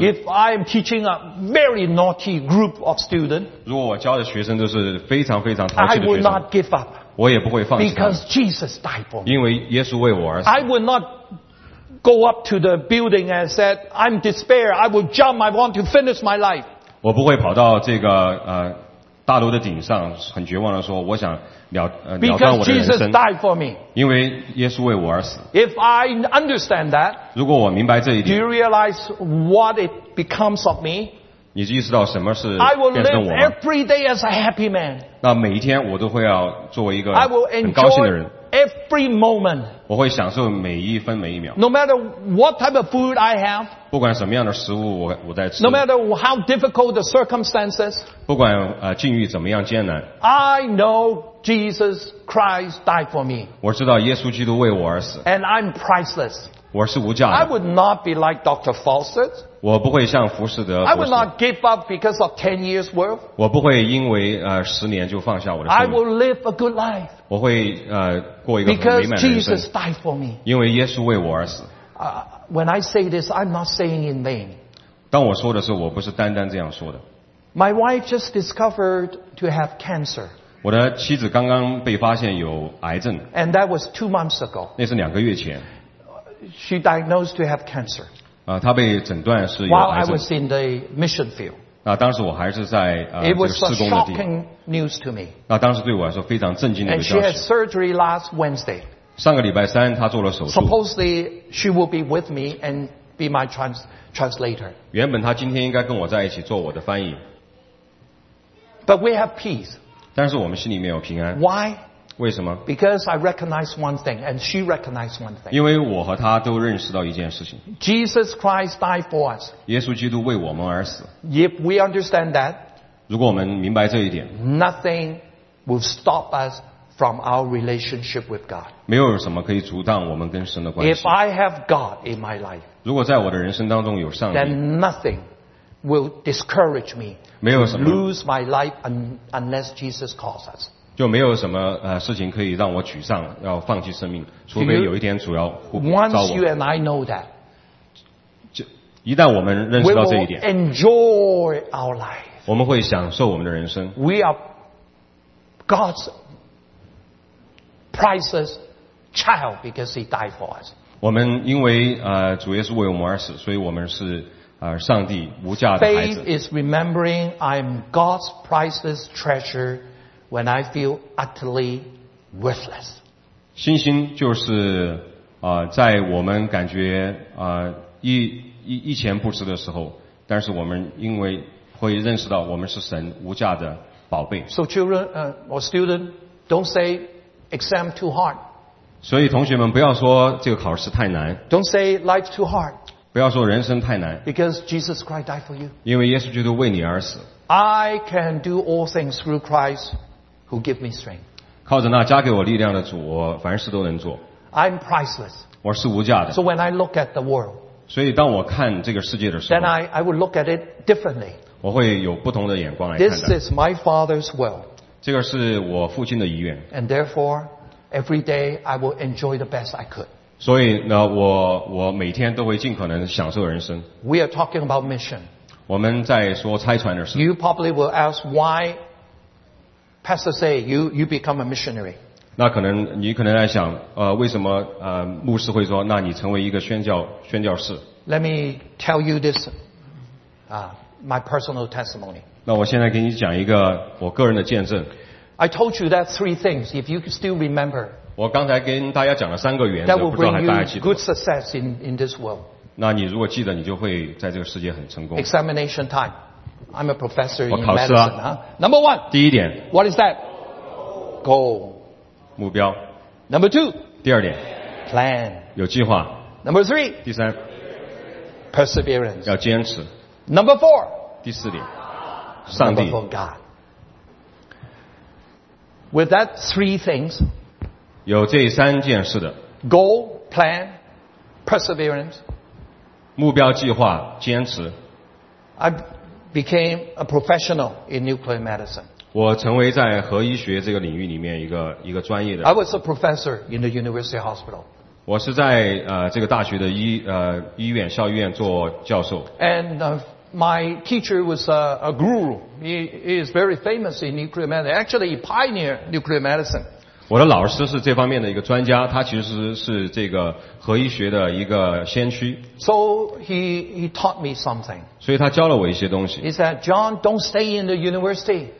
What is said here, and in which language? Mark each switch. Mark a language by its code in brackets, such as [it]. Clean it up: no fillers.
[en] If I'm teaching a very naughty group of students, [zh] 如果我教的学生都是非常非常淘气的学生， [en] I will not give up. [zh] 我也不会放弃。 [en] Because Jesus died for me. [zh] 因为耶稣为我而死。 [en] I will not. Go up to the building and said, "I'm despair. I will jump. I want to finish my life." [zh] 我不会跑到这个大楼的顶上，很绝望的说，我想了断我的人生。 [en] Because Jesus died for me. [zh] 因为耶稣为我而死。 [en] If I understand that, [zh] 如果我明白这一点， [en] Do you realize what it becomes of me? [zh] 你意识到什么是变成我吗？ [en] I will live every day as a happy man. [zh] 那每一天我都会要作为一个很高兴的人。 [en] Every moment, [zh] 我会享受每一分每一秒。 [en] No matter what type of food I have, [zh] 不管什么样的食物我在吃。 [en] No matter how difficult the circumstances, [zh] 不管境遇怎么样艰难。 [en] I know Jesus Christ died for me. [zh] 我知道耶稣基督为我而死。 [en] And I'm priceless. [zh] 我是无价的。 [en] I would not be like Dr. Fawcett. [zh] 我不会像浮士德。 [en] I would not give up because of 10 years worth. [zh] 我不会因为十年就放下我的生命。 [en] I will live a good life. [zh] 我会过一个很美满的人生。 [en] Because Jesus died for me. [zh] 因为耶稣为我而死。 [en] When I say this, I'm not saying in vain. [zh] 当我说的时候，我不是单单这样说的。 [en] My wife just discovered to have cancer. [zh] 我的妻子刚刚被发现有癌症。 [en] And that was 2 months ago. [zh] 那是两个月前。 [en] She diagnosed to have cancer. [zh] 她被诊断是有癌症。 [en] While I was in the mission field. [zh] 那当时我还是在这个施工的地方。那当时对我来说非常震惊的一个消息。 [en] And she had surgery last Wednesday. [zh] 上个礼拜三她做了手术。 [en] Supposedly she will be with me and be my translator. [zh] 原本她今天应该跟我在一起做我的翻译。 [en] But we have peace. [zh] 但是我们心里面有平安。 [en] Why? [zh] 为什么？ [en] Because I recognize one thing and she recognized one thing. [zh] 因为我和她都认识到一件事情。 [en] Jesus Christ died for us. [zh] 耶稣基督为我们而死。 [en] If we understand that, [zh] 如果我们明白这一点， [en] nothing will stop us from our relationship with God. [zh] 没有什么可以阻挡我们跟神的关系。 [en] If I have God in my life, [zh] 如果在我的人生当中有上帝， [en] then nothing will discourage me. [zh] 没有什么。 [en] Lose my life unless Jesus calls us. [zh] 就没有什么事情可以让我沮丧，要放弃生命，除非有一天主要呼召我。 [en] Once you and I know that, [zh] 就一旦我们认识到这一点 [en] ，we will enjoy our life. [zh] 我们会享受我们的人生。 [en] We are God's priceless child because He died for us. [zh] 我们因为主耶稣为我们而死，所以我们是上帝无价的孩子。 [en] Faith is remembering I'm God's priceless treasure. When I feel utterly worthless. [zh] 信心就是在我们感觉一钱不值的时候，但是我们因为会认识到我们是神无价的宝贝。 [en] So children, or student, don't say exam too hard. [zh] 所以同学们不要说这个考试太难。 [en] Don't say life too hard. [zh] 不要说人生太难。 [en] Because Jesus Christ died for you. [zh] 因为耶稣基督为你而死。 [en] I can do all things through Christ.Who give me strength? [zh] 靠着那加给我力量的主，我凡事都能做。 [en] I'm priceless. [zh] 我是无价的。 [en] So when I look at the world, [zh] 所以当我看这个世界的时候 [en] then I would look at it differently. [zh] 我会有不同的眼光来看待。 [en] This is my father's will. [zh] 这个是我父亲的遗愿。 [en] And therefore, every day I will enjoy the best I could. [zh] 所以呢我每天都会尽可能享受人生。 [en] We are talking about mission. [zh] 我们在说差传的事。 [en] You probably will ask why Pastor say you become a missionary. [zh] 那可能你可能在想为什么牧师会说那你成为一个宣教士。 [en] Let me tell you this, my personal testimony. [zh] 那我现在给你讲一个我个人的见证。 [en] I told you that three things, if you still remember. [zh] 我刚才跟大家讲了三个原则 [en] that will bring you good success in this world. [zh] 那你如果记得你就会在这个世界很成功。 [en] Examination time. I'm a professor in [zh] medicine. 我考试了。 [en] Number one. [zh] 第一点。 [en] What is that? Goal. [zh] 目标 [en] Number two, [zh] 第二点 [en] plan, [zh] 有计划 [en] Number three, [zh] 第三 [en] perseverance, [zh] 要坚持 [en] Number four, [zh] 第四点上帝 [en] Number four, God. With that three things, [zh] 有这三件事的 [en] goal, plan, perseverance, [zh] 目标计划坚持 [en] I became a professional in nuclear medicine. [zh] 我成为在核医学这个领域里面一个专业的。 [en] I was a professor in the university hospital. [zh] 我是在这个大学的医院校医院做教授。 [en] And my teacher was a guru. He is very famous in nuclear medicine. Actually, he pioneered nuclear medicine. [zh] 我的老师是这方面的一个专家，他其实是这个核医学的一个先驱。 [en] So he taught me something. [zh] 所以他教了我一些东西。 [en] He said, John, don't stay in the university.